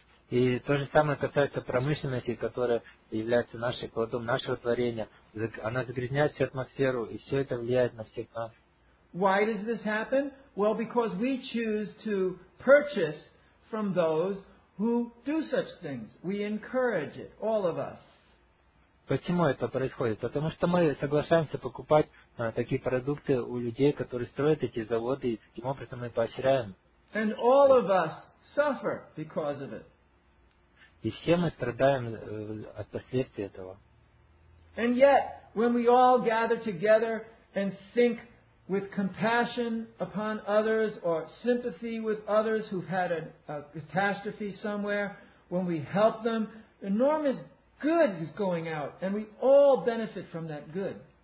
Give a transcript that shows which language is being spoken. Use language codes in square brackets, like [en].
[ru] И то же самое касается промышленности, которая является нашим плодом нашего творения. Она загрязняет всю атмосферу, и все это влияет на всех нас. [en] Why does this happen? Well, because we choose to purchase from those who do such things. We encourage it, all of us. [ru] Почему это происходит? Потому что мы соглашаемся покупать такие продукты у людей, которые строят эти заводы, и таким образом мы поощряем. [en] And all of us suffer because of it. [ru] И все мы страдаем от последствий этого. [en] And yet, when we all gather together and think with compassion upon others or sympathy with others who've had a catastrophe somewhere, when we help them, enormous good is going out, and we all benefit from that good.